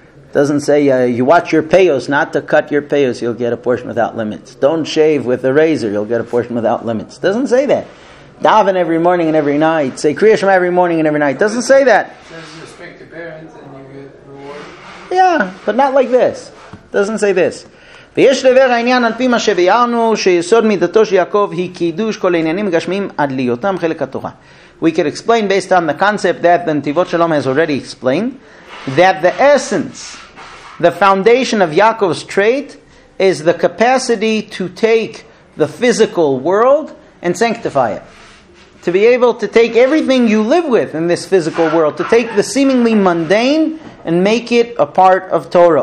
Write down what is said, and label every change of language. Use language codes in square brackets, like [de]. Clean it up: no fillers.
[en] It doesn't say you watch your peyos, not to cut your peyos, you'll get a portion without limits. Don't shave with a razor, you'll get a portion without limits. It doesn't say that. Daven every morning and every night. Say Kriya Shema every morning and every night. It doesn't say that. It says respect to parents and you get reward. Yeah, but not like this. It doesn't say this. [he] ויש לבר העניין על פי מה שביארנו שיסוד מידתו של יעקב היא קידוש כל העניינים גשמים עד להיותם חלק התורה. [en] We can explain based on the concept that the Netivot Shalom has already explained that the essence, the foundation of Yaakov's trait is the capacity to take the physical world and sanctify it. To be able to take everything you live with in this physical world, to take the seemingly mundane and make it a part of Torah.